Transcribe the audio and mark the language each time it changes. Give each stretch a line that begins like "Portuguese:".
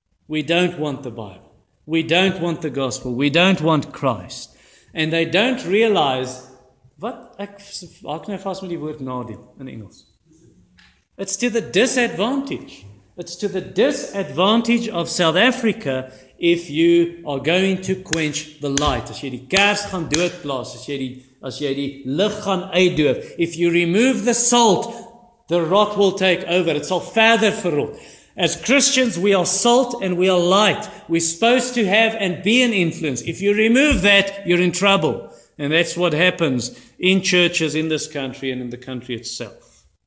English: We don't want the Bible. We don't want the gospel. We don't want Christ. And they don't realize
Afrikaans: wat ek hak nou vas met die woord nadeel in Engels.
English: It's to the disadvantage. It's to the disadvantage of South Africa if you are going to quench the light.
Afrikaans: As jy die kers gaan doodplaas, as jy die lig gaan uitdoof.
English: If you remove the salt, the rot will take over.
Afrikaans: It sal verder verrot.
English: As Christians, we are salt and we are light. We're supposed to have and be an influence. If you remove that, you're in trouble. And that's what happens in churches in this country and in the country itself.